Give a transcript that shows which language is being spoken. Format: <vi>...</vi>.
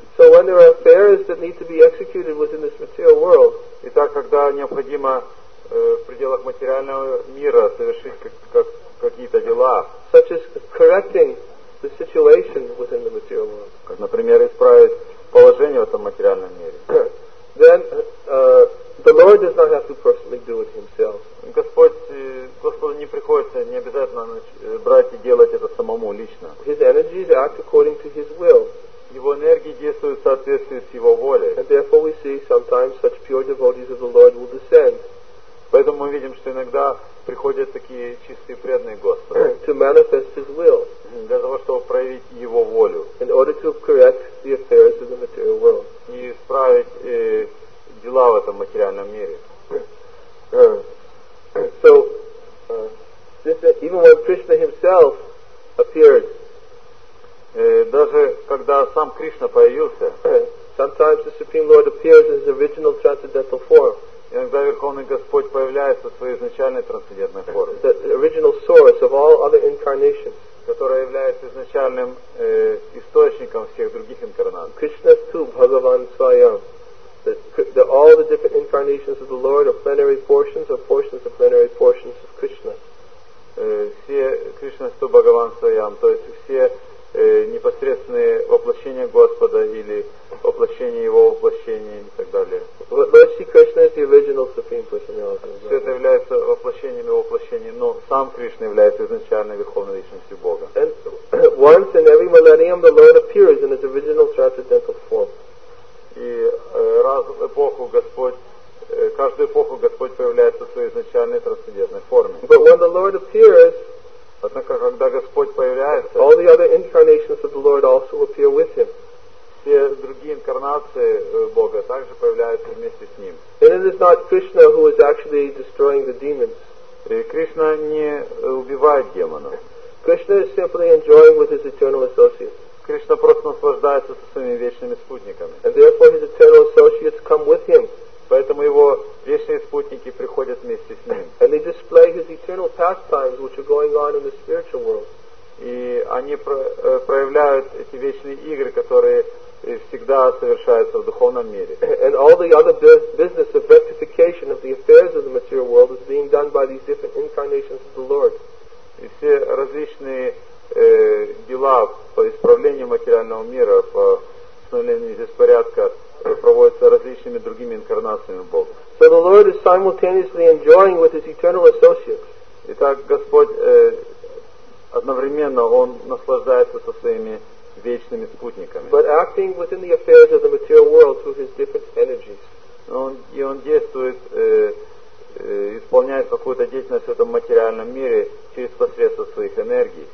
<en>So when there are affairs that need to be executed within this material world,</en> <ru>и так когда необходимо в пределах материального мира совершить какие-то дела,</ru> <en>such as correcting the situation within the material world,</en> <ru>как, например, исправить положение в этом материальном мире,</ru> <en>then the Lord does not have to personally do it himself.</en> <ru>Господу не приходится, не обязательно брать и делать это самому лично.</ru> <en>His energies act according to his will.</en> <ru>Его энергии действуют в соответствии с его волей.</ru> <en>And therefore we see sometimes such pure devotees of the Lord will descend.</en> <ru>Поэтому мы видим, что иногда приходят такие чистые преданные Господа.</ru> <en>To manifest his will.</en> <ru>Для того, чтобы проявить его волю.</ru> <en>In order to correct the affairs of the material world.</en> <ru>И исправить дела в этом материальном мире.</ru> <en>So, even when Krishna himself appeared.</en> <ru>Даже когда сам Кришна появился.</ru> <en>Sometimes the Supreme Lord appears in his original transcendental form.</en> <ru>Иногда Верховный Господь появляется в своей изначальной трансцендентной форме.</ru> <en>The original source of all other incarnations.</en> <ru>Которая является изначальным источником всех других инкарнаций.</ru> <sa>Krishna tu Bhagavan Swayam.</sa> <en>That all the different incarnations of the Lord are plenary portions or portions of plenary portions of Krishna.</en> <ru>Все</ru> <sa>Krishna tu Bhagavan Swayam.</sa> <ru>То есть все непосредственные воплощения Господа или воплощение Его воплощения и так далее.</ru> <en>But Sri Krishna is the original Supreme Personality.</en> <ru>Все это является воплощением Его воплощения, но Сам Кришна является изначальной Верховной Личностью Бога.</ru> <en>Once in every millennium the Lord appears in His original transcendental form.</en> <ru>И раз в эпоху Господь, каждую эпоху Господь появляется в своей изначальной трансцендентной форме.</ru> <en>But when the Lord appears,</en> <ru>однако, когда Господь появляется,</ru> <en>all the other incarnations of the Lord also appear with Him.</en> <ru>Все другие инкарнации Бога также появляются вместе с Ним.</ru> <en>And it is not Krishna who is actually destroying the demons.</en> <ru>И Кришна не убивает демонов.</ru> <en>Krishna is simply enjoying with His eternal associates.</en> <ru>Кришна просто наслаждается со своими вечными спутниками.</ru> <en>And therefore His eternal associates come with Him.</en> <ru>Поэтому Его вечные спутники приходят вместе с Ним.</ru> <en>And they display His eternal pastimes, which are going on in the spiritual world.</en> <ru>И они проявляют эти вечные игры, которые всегда совершаются в духовном мире.</ru> <en>And all the other business of rectification of the affairs of the material world is being done by these different incarnations of the Lord.</en> <ru>И все различные дела по исправлению материального мира, по установлению здесь порядка, проводятся различными другими инкарнациями Бога.</ru> <en>So the Lord is simultaneously enjoying with His eternal associates.</en> <ru>Итак, Господь одновременно Он наслаждается со своими вечными спутниками.</ru> <en>But acting within the affairs of the material world through His different energies.</en> <ru>Он действует, исполняет какую-то деятельность в этом материальном мире через посредство своих энергий.</ru>